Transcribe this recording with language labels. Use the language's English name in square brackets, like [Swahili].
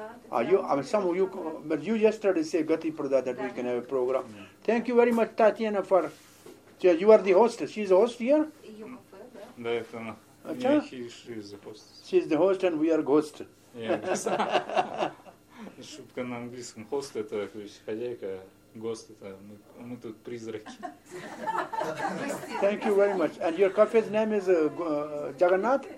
[English] Tatiana, you, I mean, some of you, but you yesterday said Gati Prada that we can have a program. Yeah. Thank you very much, Tatiana, for you are the hostess. She's the host here? Yeah, she's the host. She's the host and we are ghost. Yes. [Russian] Шутка на английском. Хост – это хозяйка, гост – это мы тут призраки. [English] Thank you very much. And your cafe's name is Jagannat?